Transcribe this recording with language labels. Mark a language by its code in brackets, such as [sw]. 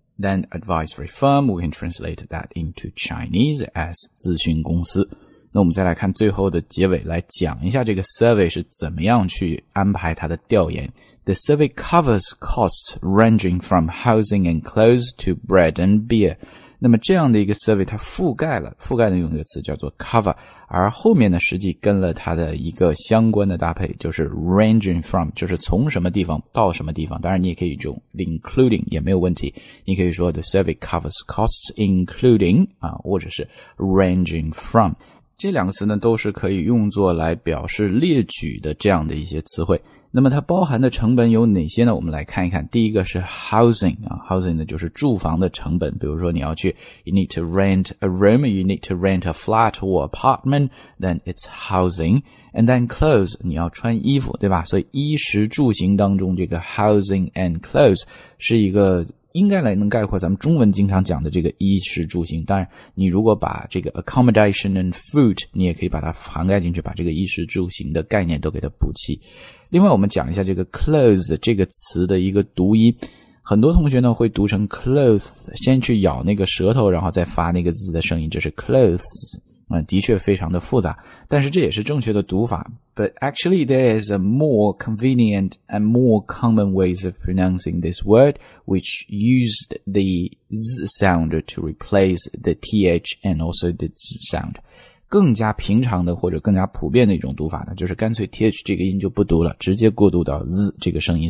[en] Then advisory firm, we can translate that into Chinese as [zh] 咨询公司。那我们再来看最后的结尾来讲一下这个 survey 是怎么样去安排它的调研。 [en] The survey covers costs ranging from housing and clothes to bread and beer. [zh] 那么这样的一个 survey 它覆盖了用一个词叫做 cover, 而后面呢实际跟了它的一个相关的搭配就是 ranging from, 就是从什么地方到什么地方。当然你也可以用 including, 也没有问题。你可以说 [en] the survey covers costs including, [zh] 啊或者是 ranging from。这两个词呢都是可以用作来表示列举的这样的一些词汇。那么它包含的成本有哪些呢？我们来看一看。第一个是 housing 啊， housing 呢就是住房的成本。比如说你要去 [en] you need to rent a room, you need to rent a flat or apartment, then it's housing. And then clothes, [zh] 你要穿衣服，对吧？所以衣食住行当中这个 housing and clothes 是一个应该来能概括咱们中文经常讲的这个衣食住行。当然你如果把这个 [en] accommodation and food, [zh] 你也可以把它涵盖进去，把这个衣食住行的概念都给它补齐。另外我们讲一下这个 clothes 这个词的一个读音。很多同学呢会读成 clothes, 先去咬那个舌头然后再发那个字的声音，这是 clothes,的确非常的复杂，但是这也是正确的读法。 [en] But actually, there is a more convenient and more common ways of pronouncing this word, which used the z sound to replace the th and also the z sound. [zh] 更加平常的或者更加普遍的一种读法呢，就是干脆 th 这个音就不读了，直接过渡到 z 这个声音。